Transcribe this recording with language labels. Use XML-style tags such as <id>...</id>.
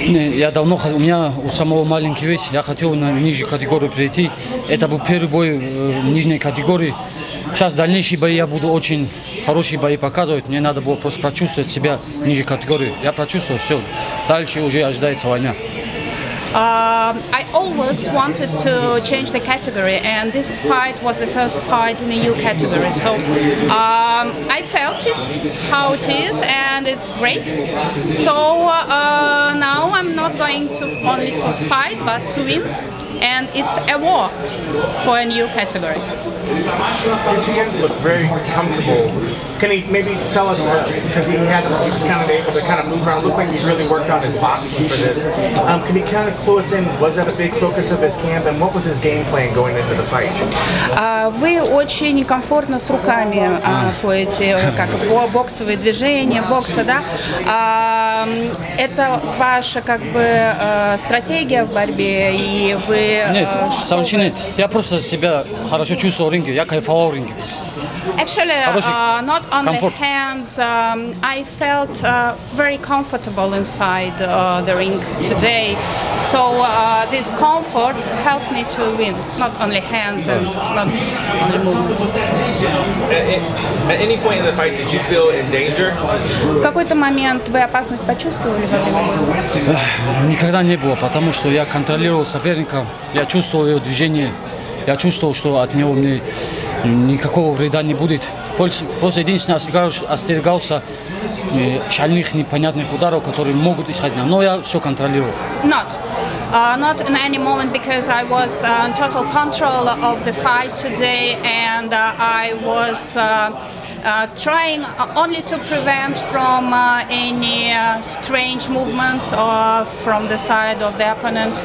<ru>Нет, у меня у самого маленький вес, я хотел на нижнюю категорию перейти. Это был первый бой в нижней категории. Сейчас дальнейшие бои я буду очень хорошие бои показывать. Мне надо было просто прочувствовать себя ниже категории. Я прочувствовал, все. Дальше уже ожидается война.</ru> <en>I always wanted to change the category, and this fight was the first fight in a new category. So I felt it, how it is, and it's great. So now I'm not going to only to fight, but to win. And it's a war for a new category. His hands look very comfortable. Can he maybe tell us, because he was kind of able to kind of move around, looked like he really worked on his boxing for this. Can he kind of clue us in, was that a big focus of his camp, and what was his game plan going into the fight?</en> <ru>Вы очень комфортно с руками по эти, как боксовые движения, бокса, да? Это ваша как бы стратегия в борьбе, и вы... Нет, совершенно нет. Я просто себя хорошо чувствую в ринге, я кайфовал в ринге просто.</ru> <en>Actually, not on comfort. The hands, I felt very comfortable inside the ring today. So this comfort helped me to win, not only hands and not only movements. At any point in the fight, did you feel in danger?</en> <ru>В какой-то момент вы опасность почувствовали во время боя? Никогда не было, потому что я контролировал соперника, я чувствовал его движение, я чувствовал, что от него мне... Никакого вреда не будет. Просто единственное, остерегался шальных непонятных ударов, которые могут исходить. Но я все контролировал.</ru> <en>Not in any moment, because I was in total control of the fight today, and I was trying only to prevent from any strange movements or from the side of the opponent.</en>